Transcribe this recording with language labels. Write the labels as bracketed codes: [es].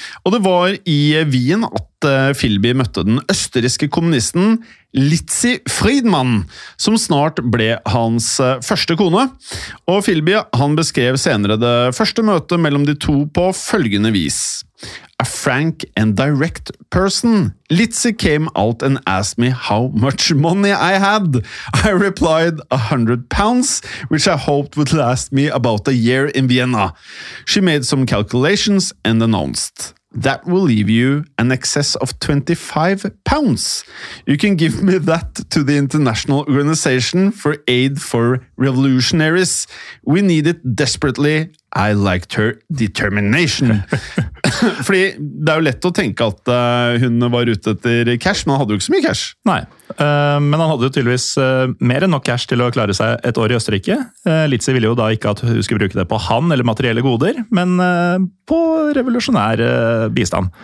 [no] Og det var i Wien at Philby møtte den østerrikske kommunisten Lizzi Friedmann, som snart ble hans første kone. Og Philby, han beskrev senere det første møtet mellom de to på følgende vis. [en] «A frank and direct person. Lizzi came out and asked me how much money I had. I replied £100, which I hoped would last me about a year in Vienna. She made some calculations and announced, that will leave you an excess of £25. You can give me that to the International Organization for Aid for Revolutionaries. We need it desperately. I liked her determination.» [no] Fordi det er jo lett å tenke at hun var ute etter cash, men han hadde jo ikke så mye cash. Nei, men han hadde jo tydeligvis mer enn nok cash til å klare seg et år i Østerrike. Lizzi ville jo da ikke at hun skulle bruke det på han eller materielle goder, men på revolusjonær bistand.